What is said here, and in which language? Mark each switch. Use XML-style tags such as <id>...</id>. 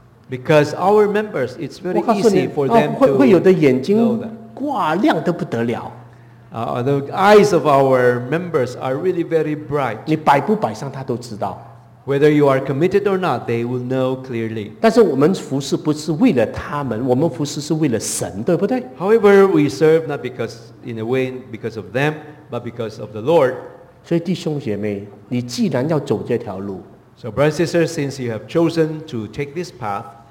<en>Because our members, it's very easy for them to know.</en> <zh>会有的眼睛挂亮得不得了。</zh> <en>The eyes of our members are really very bright.</en> <zh>你摆不摆上，他都知道。</zh> <en>Whether you are committed or not, they will know clearly.</en> <zh>但是我们服侍不是为了他们，我们服侍是为了神，对不对</zh> <en>？However, we serve not because in a way because of them, but because of the Lord.</en> <zh>所以弟兄姐妹，你既然要走这条路。</zh> <en>So, brothers and sisters, since you have chosen to take this path,</en>